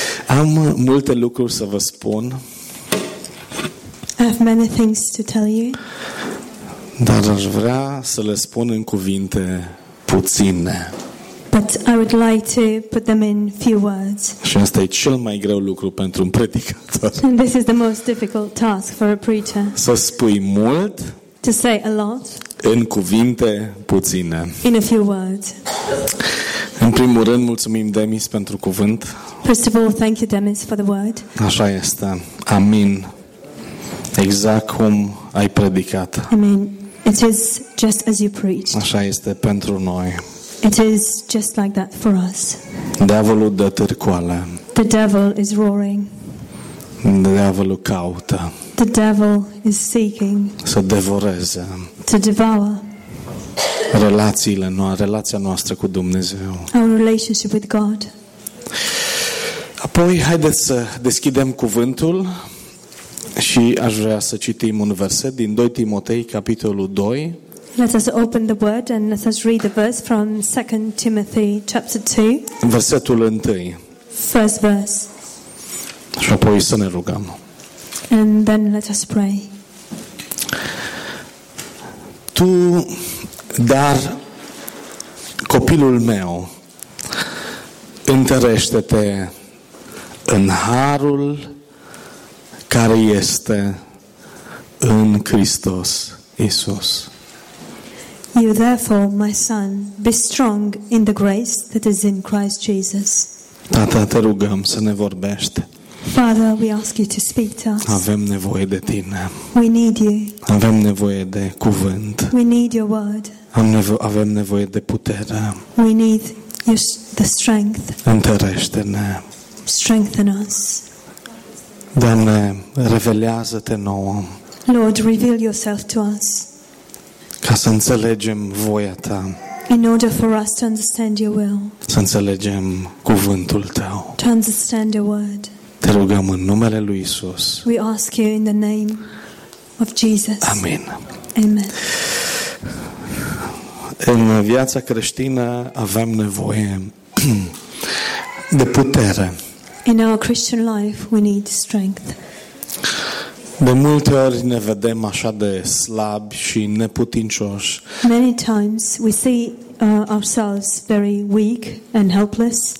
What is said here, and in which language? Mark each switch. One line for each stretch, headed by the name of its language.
Romanian: Am multe lucruri să vă spun.
English: I have many things to tell you.
Romanian: Dar aș vrea să le spun în cuvinte puține.
English: But I would like to put them in few words.
Romanian: Și asta e cel mai greu lucru pentru un predicator.
English: And this is the most difficult task for a preacher.
Romanian: Să spui mult.
English: To say a lot.
Romanian: În cuvinte puține.
English: In a few words.
Romanian: În primul rând, mulțumim Demis pentru cuvânt.
English: First of all, thank you, Demis, for the word.
Romanian: Așa este. Amin. Exact cum ai predicat.
English: Amin. It is just as you preached.
Romanian: Așa este pentru noi.
English: It is just like that for us.
Romanian: Diavolul dă târcoale.
English: The devil is roaring.
Romanian: Diavolul caută.
English: The devil is seeking.
Romanian: Să devoreze.
English: To devour.
Romanian: Relațiile noastre, relația noastră cu Dumnezeu.
English: Our relationship with God.
Romanian: Apoi, haideți să deschidem cuvântul și aș vrea să citim un verset din 2 Timotei, capitolul 2.
English: Let us open the word and let us read the verse from 2 Timothy, chapter 2.
Romanian: Versetul 1.
English: First verse.
Romanian: Și apoi să ne rugăm.
English: And then let us pray.
Romanian: Tu, dar copilul meu, întărește-te în harul care este în Hristos Iisus.
English: You therefore, my son, be strong in the grace that is in Christ Jesus.
Romanian: Tată, te rugăm să ne vorbești.
English: Father, we ask you to speak to us.
Romanian: Avem nevoie de tine.
English: We need you.
Romanian: Avem nevoie de cuvânt.
English: We need your word.
Romanian: Avem nevoie de putere.
English: We need the strength.
Romanian: Întărește-ne.
English: Strengthen us.
Romanian: Doamne, revelează-te nouă.
English: Lord, reveal yourself to us.
Romanian: Ca să înțelegem voia ta.
English: In order for us to understand your will.
Romanian: Să înțelegem cuvântul tău.
English: To understand your word.
Romanian: Te rugăm în numele lui Isus.
English: We ask you in the name of Jesus.
Romanian: Amen.
English: Amen.
Romanian: În viața creștină avem nevoie de putere.
English: In our Christian life we need strength.
Romanian: De multe ori ne vedem așa de slabi și neputincioși.
English: Many times we see ourselves very weak and helpless.